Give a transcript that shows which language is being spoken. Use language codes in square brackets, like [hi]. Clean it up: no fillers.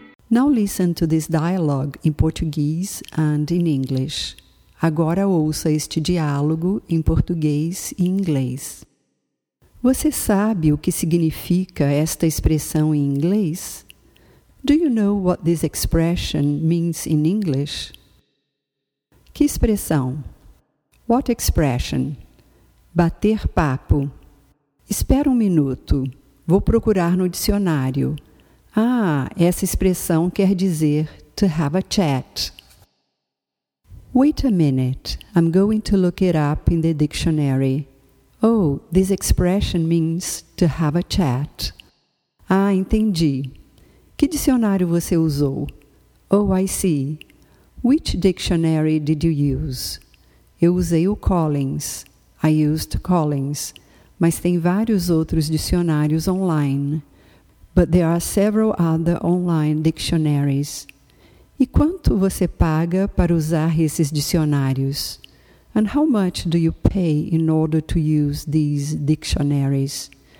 [en] Now listen to this dialogue in Portuguese and in English. [pt] Agora ouça este diálogo em português e inglês. Você sabe o que significa esta expressão em inglês? [en] Do you know what this expression means in English? [pt] Que expressão? [en] What expression? [pt] Bater papo. Espera um minuto. Vou procurar no dicionário. Ah, essa expressão quer dizer [en] to have a chat. Wait a minute. I'm going to look it up in the dictionary. Oh, this expression means to have a chat. [pt] Ah, entendi. Que dicionário você usou? [en] Oh, I see. Which dictionary did you use? [pt] Eu usei o Collins. [en] I used Collins. [pt] Mas tem vários outros dicionários online. [en] But there are several other online dictionaries. [pt] E quanto você paga para usar esses dicionários? [en] And how much do you pay in order to use these dictionaries?